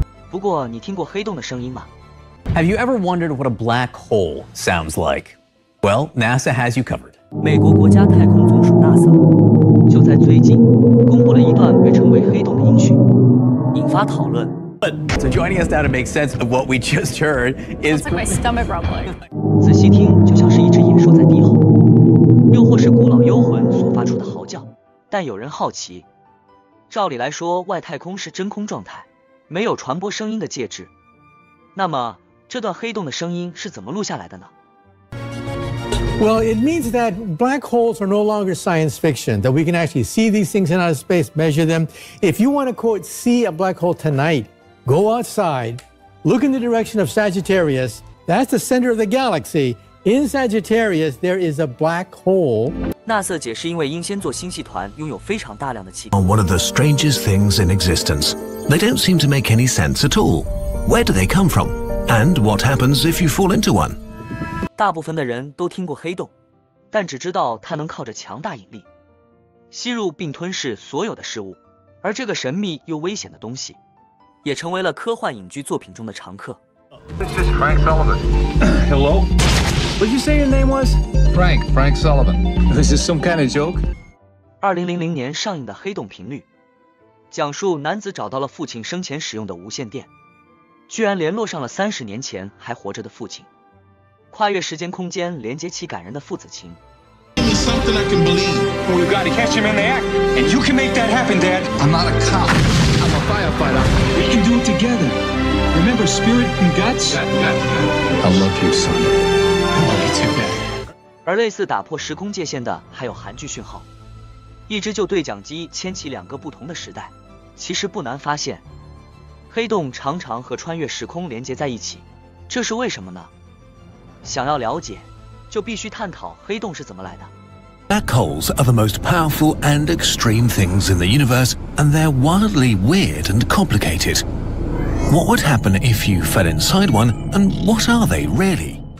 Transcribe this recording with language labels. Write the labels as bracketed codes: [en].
[zh] 不过你听过黑洞的声音吗？ [en] Have you ever wondered what a black hole sounds like? Well, NASA has you covered. [zh] 美国国家太空总署 NASA 就在最近公布了一段被称为黑洞的音讯，引发讨论。 [en] But, so joining us now to make sense of what we just heard is like my stomach rumbling. [zh] 仔细听，就像是一只野兽在低吼，又或是古老幽魂所发出的嚎叫。但有人好奇，照理来说，外太空是真空状态，没有传播声音的介质。那么，这段黑洞的声音是怎么录下来的呢？ [en] Well, it means that black holes are no longer science fiction, that we can actually see these things in outer space, measure them. If you want to quote see a black hole tonight, go outside, look in the direction of Sagittarius. That's the center of the galaxy. In Sagittarius, there is a black hole. [zh] NASA 解释，因为英仙座星系团拥有非常大量的气体。 [en] One of the strangest things in existence. They don't seem to make any sense at all. Where do they come from? And what happens if you fall into one? [zh] 大部分的人都听过黑洞，但只知道它能靠着强大引力吸入并吞噬所有的事物，而这个神秘又危险的东西也成为了科幻影剧作品中的常客。 [en] This is Frank Sullivan. Hello? What'd you say your name was? Frank Sullivan. This is some kind of joke? [zh] 2000年上映的《黑洞频率》，讲述男子找到了父亲生前使用的无线电，居然联络上了30年前还活着的父亲，跨越时间空间连接起感人的父子情。 [en] Something I can believe. We've got to catch him in the act, and you can make that happen, Dad. I'm not a cop. I'm a firefighter. We can do it together. Remember spirit and guts? I I love you too, Dad. [zh] 而类似打破时空界限的还有韩剧讯号，一只旧对讲机牵起两个不同的时代。其实不难发现，黑洞常常和穿越时空连接在一起，这是为什么呢？想要了解，就必须探讨黑洞是怎么来的。 [en] Black holes are the most powerful and extreme things in the universe, and they're wildly weird and complicated. What would happen if you fell inside one, and what are they really?